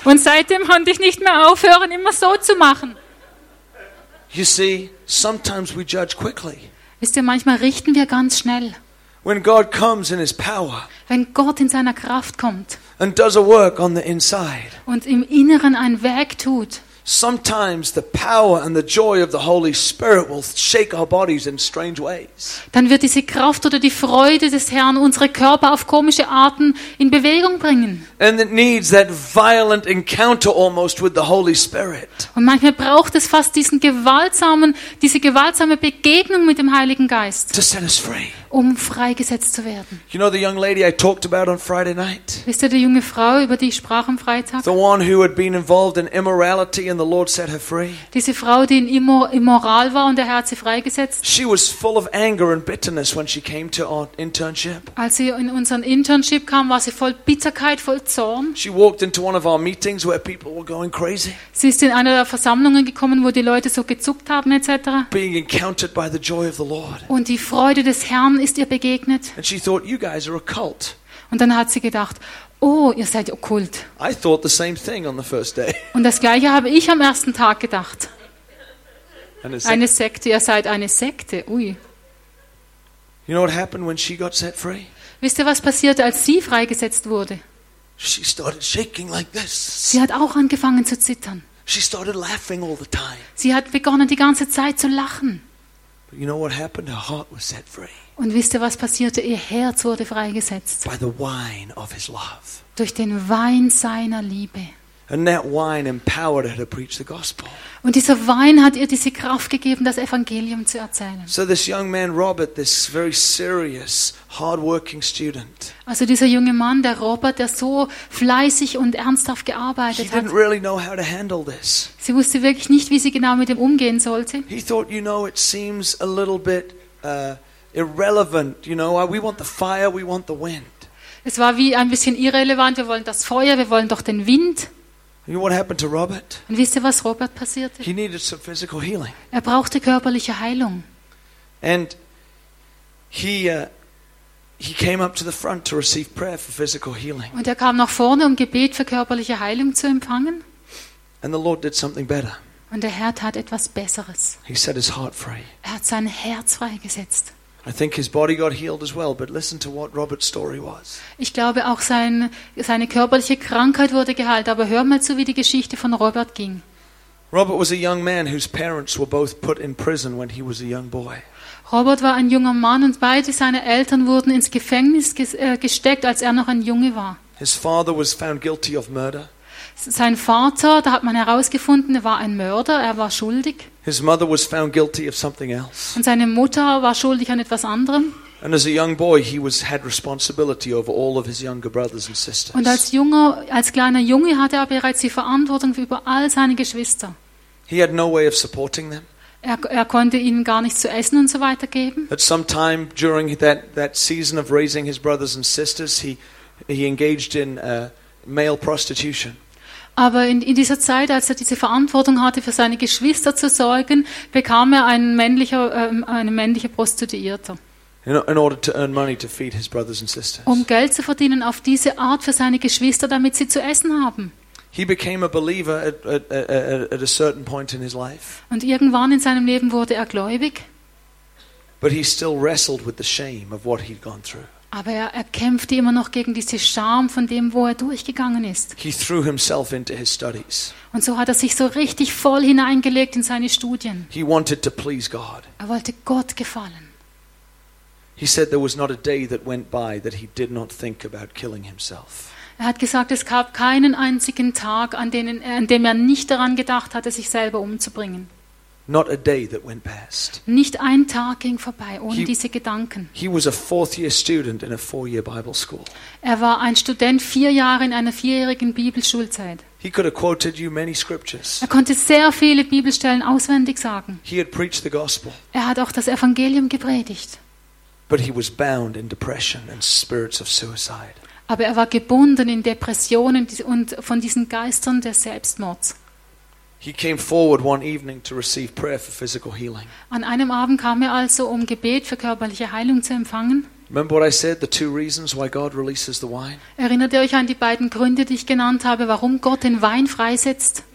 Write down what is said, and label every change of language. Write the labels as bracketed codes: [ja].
[de] Und seitdem konnte ich nicht mehr aufhören, immer so zu machen. [en] You see, sometimes we judge quickly. [de] Wisst ihr, manchmal richten wir ganz schnell. [en] When God comes in his power, [de] wenn Gott in seiner Kraft kommt [en] and does a work on the inside, [de] und im Inneren ein Werk tut, [en] sometimes the power and the joy of the Holy Spirit will shake our bodies in strange ways. [de] Dann wird diese Kraft oder die Freude des Herrn unsere Körper auf komische Arten in Bewegung bringen. [en] And it needs that violent encounter almost with the Holy Spirit. [de] Und manchmal braucht es fast diese gewaltsame Begegnung mit dem Heiligen Geist. [en] To set us free. [de] Um freigesetzt zu werden. [en] You know the young lady I talked about on Friday night? [de] Wisst ihr, die junge Frau, über die ich sprach am Freitag? [en] The one who had been involved in immorality and the Lord set her free. [de] Diese Frau, die in immoral war und der Herr hat sie freigesetzt. [en] She was full of anger and bitterness when she came to our internship. [de] Als sie in unseren Internship kam, war sie voll Bitterkeit, voll Zorn. [en] She walked into one of our meetings where people were going crazy. [de] Sie ist in einer der Versammlungen gekommen, wo die Leute so gezuckt haben etc. [en] Being encountered by the joy of the Lord. [de] Und die Freude des Herrn ist ihr begegnet. [en] And she thought, you guys are a cult. [de] Und dann hat sie gedacht, oh, ihr seid okkult. [en] I thought the same thing on the first day. [de] Und das gleiche habe ich am ersten Tag gedacht. Eine Sekte, ihr seid eine Sekte, ui. [en] You know what happened when she got set free? [de] Wisst ihr, was passierte, als sie freigesetzt wurde? [en] She started shaking like this. [de] Sie hat auch angefangen zu zittern. [en] She started laughing all the time. [de] Sie hat begonnen, die ganze Zeit zu lachen. [en] But you know what happened? Her heart was set free. [de] Und wisst ihr, was passierte? Ihr Herz wurde freigesetzt. [en] By the wine of his love. [de] Durch den Wein seiner Liebe. [en] And that wine empowered her to preach the gospel. [de] Und dieser Wein hat ihr diese Kraft gegeben, das Evangelium zu erzählen. [en] So this young man Robert, this very serious, hardworking student. [de] Also dieser junge Mann, der Robert, der so fleißig und ernsthaft gearbeitet hat. [en] He didn't really know how to handle this. [de] Sie wusste wirklich nicht, wie sie genau mit dem umgehen sollte. [en] He thought, you know, it seems a little bit irrelevant, you know, we want the fire, we want the wind. [de] Es war wie ein bisschen irrelevant, wir wollen das Feuer, wir wollen doch den Wind. [en] You know what happened to Robert? [de] Und wisst ihr, was Robert passierte? [en] He needed some physical healing. [de] Er brauchte körperliche Heilung. [en] And he came up to the front to receive prayer for physical healing. [de] Und er kam nach vorne, um Gebet für körperliche Heilung zu empfangen. [en] And the Lord did something better. [de] Und der Herr tat etwas Besseres. [en] He set his heart free. [de] Er hat sein Herz freigesetzt. [en] I think his body got healed as well, but listen to what Robert's story was. [de] Ich glaube auch seine körperliche Krankheit wurde geheilt, aber hör mal zu, wie die Geschichte von Robert ging. [en] Robert was a young man whose parents were both put in prison when he was a young boy. [de] Robert war ein junger Mann und beide seine Eltern wurden ins Gefängnis gesteckt, als er noch ein Junge war. [en] His father was found guilty of murder. [de] Sein Vater, da hat man herausgefunden, er war ein Mörder, er war schuldig. [en] His mother was found guilty of something else. [de] Und seine Mutter war schuldig an etwas anderem. [en] And as a young boy, he was had responsibility over all of his younger brothers and sisters. [de] Und als kleiner Junge hatte er bereits die Verantwortung über all seine Geschwister. [en] He had no way of supporting them. [de] Er konnte ihnen gar nichts zu essen und so weiter geben. [en] At some time during that season of raising his brothers and sisters, he engaged in male prostitution. [de] Aber in dieser Zeit, als er diese Verantwortung hatte, für seine Geschwister zu sorgen, bekam er eine männliche Prostituierte. [en] In order to earn money to feed his brothers and sisters. [de] Um Geld zu verdienen auf diese Art für seine Geschwister, damit sie zu essen haben. [en] He became a believer at a certain point in his life. [de] Und irgendwann in seinem Leben wurde er gläubig. [en] But he still wrestled with the shame of what he'd gone through. [de] Aber er kämpfte immer noch gegen diese Scham von dem, wo er durchgegangen ist. [en] He threw himself into his studies. [de] Und so hat er sich so richtig voll hineingelegt in seine Studien. [en] He wanted to please God. [de] Er wollte Gott gefallen. [en] He said there was not a day that went by that he did not think about killing himself. [de] Er hat gesagt, es gab keinen einzigen Tag, an dem er nicht daran gedacht hatte, sich selber umzubringen. [en] Not a day that went past. [de] Nicht ein Tag ging vorbei ohne diese Gedanken. [en] He was a fourth-year student in a four-year Bible school. [de] Er war ein Student 4 Jahre in einer vierjährigen Bibelschulzeit. [en] He could have quoted you many scriptures. [de] Er konnte sehr viele Bibelstellen auswendig sagen. [en] He had preached the gospel. [de] Er hat auch das Evangelium gepredigt. [en] But he was bound in depression and spirits of suicide. [de] Aber er war gebunden in Depressionen und von diesen Geistern des Selbstmords. [en] He came forward one evening to receive prayer for physical healing. [de] An einem Abend kam er also, um Gebet für körperliche Heilung zu empfangen. [en] Remember what I said, the two reasons why God releases the wine? [de] Erinnert ihr euch an die beiden Gründe, die ich genannt habe, warum Gott den Wein freisetzt?